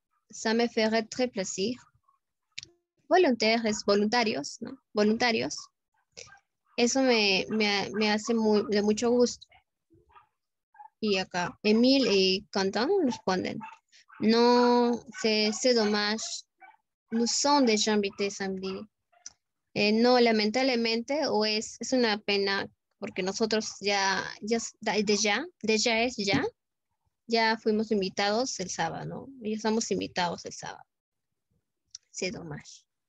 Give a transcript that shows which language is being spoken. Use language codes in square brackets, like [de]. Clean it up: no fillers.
[fr] Ça me ferait très plaisir. [es] Volunteer es voluntarios, ¿no? Voluntarios. Eso me hace muy, de mucho gusto. Y acá, Emil y Quentin responden. [fr] No, c'est dommage. Nous sommes déjà invités samedi. [es] No, lamentablemente, o es una pena porque nosotros ya es ya. Ya fuimos invitados el sábado, ¿no? Ya estamos invitados el sábado. [fr] C'est dommage.